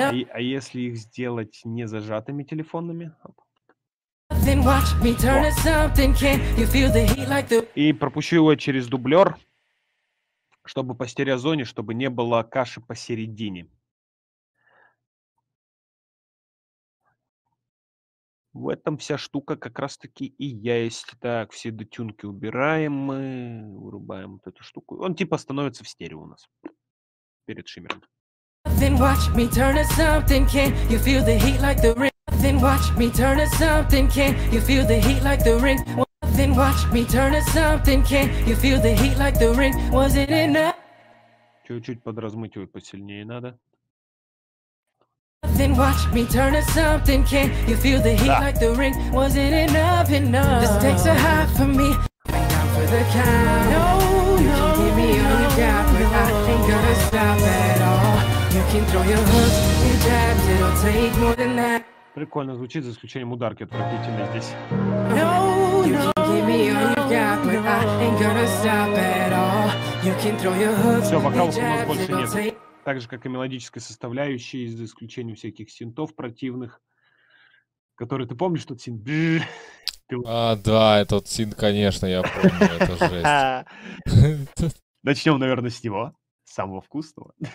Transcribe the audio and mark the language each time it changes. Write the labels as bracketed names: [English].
[Russian] А если их сделать не зажатыми телефонными? [English] Then watch me turn to something, can you feel the heat like the... [Russian] И пропущу его через дублер, чтобы по стереозоне, чтобы не было каши посередине. В этом вся штука как раз-таки и есть. Так, все дотюнки убираем, мы вырубаем вот эту штуку. Он типа становится в стерео у нас перед шиммером. [English] Then watch me turn to something, can you feel the heat like the ring? Then watch me turn to something, can you feel the heat like the ring? Then watch me turn to something, can you feel the heat like the ring? Was it enough? [Russian] Чуть-чуть подразмыть его посильнее надо. [English] Then watch me turn to something, can you feel the heat like the ring? Was it enough, enough? The stakes are high for me. Going down for the count. No, you can give me all you got, but I ain't gonna stop at all. You can throw your hooks and your jabs, it'll take more than that. [Russian] Прикольно звучит, за исключением ударки, отвратительно здесь. [English] No, you can give me all you got, but I ain't gonna stop at all. You can throw your hooks and your jabs, it'll take more than that. [Russian] Так же, как и мелодической составляющей, за исключением всяких синтов противных, которые, ты помнишь тот синт? А, да, этот синт, конечно, я помню, это жесть. Начнем, наверное, с него, самого вкусного.